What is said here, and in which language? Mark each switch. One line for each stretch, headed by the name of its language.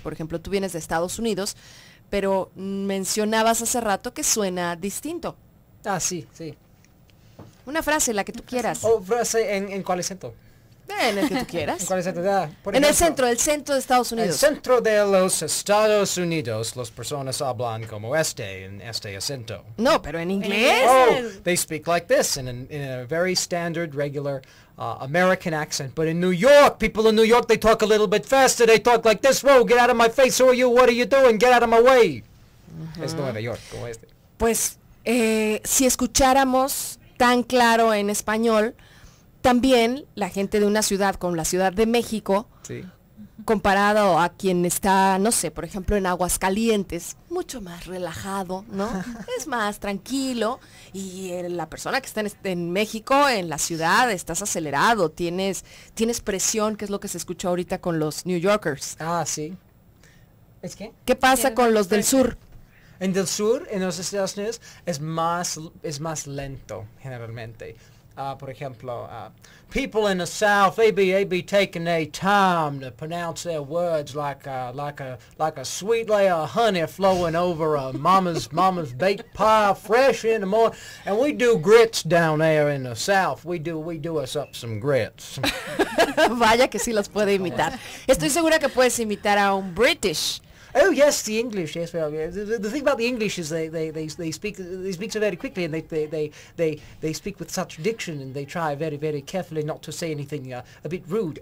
Spanish: Por ejemplo, tú vienes de Estados Unidos, pero mencionabas hace rato que suena distinto. Ah, sí, sí. Una frase, la que tú quieras. O frase, ¿en cuál acento? En el que tú quieras. ¿Cuál es el tema? Ah, por ejemplo, en el centro de Estados Unidos. El centro de los Estados Unidos, las personas hablan como en este acento. No, pero en inglés.
English: Oh, they speak like this in a very standard, regular American accent. But in New York, people in New York, they talk a little bit faster. They talk like this. Whoa, get out of my face. Who are you? What are you doing? Get out of my way. Uh-huh.
Spanish: Es Nueva York, como este. Pues, si escucháramos tan claro en español... También la gente de una ciudad como la Ciudad de México, sí, comparado a quien está, no sé, por ejemplo, en Aguascalientes, mucho más relajado, ¿no? Es más tranquilo. Y la persona que está en México, en la ciudad, estás acelerado, tienes presión, que es lo que se escuchó ahorita con los New Yorkers. Ah, sí. ¿Es que? ¿Qué pasa con los del sur? En del sur, en los Estados Unidos, es más lento, generalmente. Por ejemplo,
English: people in the South, they be taking their time to pronounce their words like a sweet layer of honey flowing over a mama's baked pie fresh in the morning. And we do grits down there in the South. We do us up some grits.
Spanish: Vaya que sí los puede imitar. Estoy segura que puedes imitar a un British.
English: Oh yes, the English. Yes, well, yeah. The thing about the English is they speak so very quickly, and they speak with such diction, and they try very very carefully not to say anything a bit rude.